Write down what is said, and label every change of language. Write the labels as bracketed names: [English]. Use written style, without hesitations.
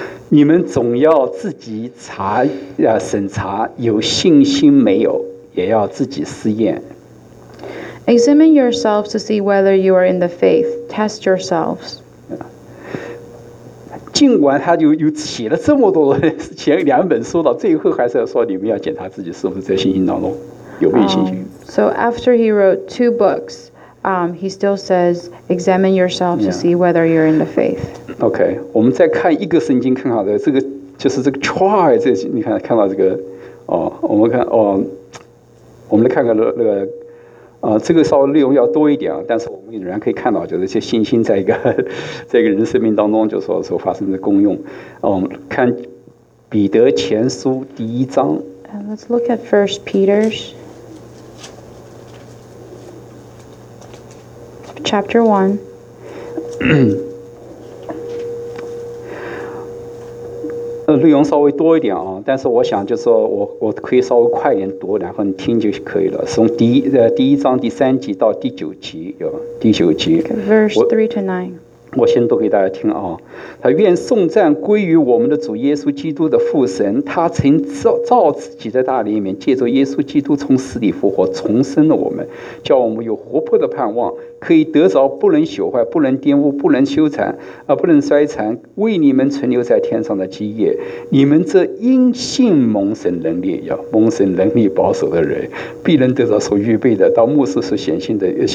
[Chinese] 你们总要自己查审查有信心没有，也要自己试验。 [English] Examine yourselves to see whether you are in the faith. Test yourselves. [Chinese] 尽管他有写了这么多的写两本书到最后还是要说你们要检查自己是不是在信心当中有没有信心。 [English] So after he wrote two books, he still says, examine yourselves to see whether you're in the faith. [Chinese] Okay, 我们再看一个圣经看好的这个就是这个 try, 这你看看到这个哦我们看哦我们来看看那个这个稍微内容要多一点但是我们仍然可以看到就是这些信心在一个人生命当中就是说发生的功用。看彼得前书第一章。 [English] And let's look at 1 Peter chapter 1. [Chinese] 内容稍微多一点但是我想就是说我可以稍微快一点读然后你听就可以了从第一章第三节到第九节有第九节 [English] okay, verse 3 to 9 [Chinese] 我先读给大家听他愿颂赞归于我们的主耶稣基督的父神他曾 照自己的大能里面借着耶稣基督从死里复活重生了我们叫我们有活泼的盼望可以得着不能朽坏不能玷污不能修残不能衰残为你们存留在天上的基业你们这因信蒙神能力要蒙神能力保守的人必能得到所预备的到末世所显现的